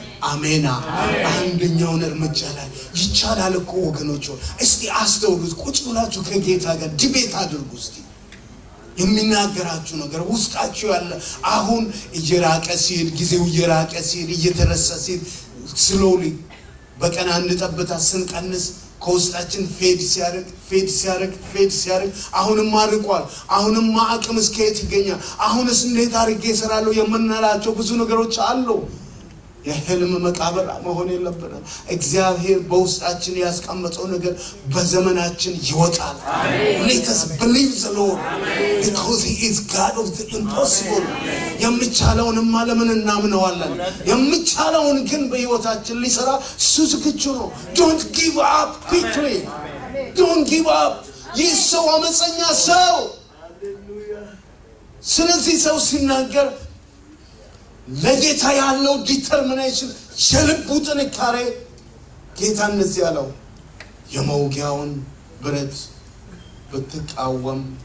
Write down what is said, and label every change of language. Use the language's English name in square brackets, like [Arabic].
[Amharic] አሜና። አንደኛውን እርምጃ ላይ ይቻላል እኮ ወገኖች። እስቲ አስተውሉት፣ ቁጭ ብላችሁ ከጌታ ጋር ዲቤት አድርጉ። እስቲ የሚናገራችሁ ነገር ውስጣችሁ ያለ አሁን እየራቀ ሲል ጊዜው እየራቀ ሲል እየተረሰ ሲል ስሎሊ በቀን አንድ ጠብታ ስንቀንስ ኮስታችን ፌድ ሲያርክ አሁንም አርቋል። አሁንም ማአቅም እስከ የት ይገኛል? አሁንስ እንዴት አርጌ እሰራለሁ? የምንላቸው ብዙ ነገሮች አሉ። የህልም መቃብር መሆን የለበትም። እግዚአብሔር በውስጣችን ያስቀመጠው ነገር በዘመናችን ይወጣል። አሜን። [English] Let us believe the Lord. [Amharic] አሜን። [English] Because he is God of the impossible. [Amharic] አሜን። የምቻለውንማ ለምን እናምነዋለን? የምቻለውን ግን በህይወታችን ሊሰራ ስዝግጁ ነው። [English] Don't give up quickly. [Amharic] አሜን። [English] Don't give up. [Amharic] ይሰው አመጸኛ ሰው ስለዚህ ሰው ሲናገር ለጌታ ያለው ዲተርሚኔሽን ሸልቡ ጥንካሬ ጌታ እንደዚህ ያለው የመውጊያውን ብረት በተቃወም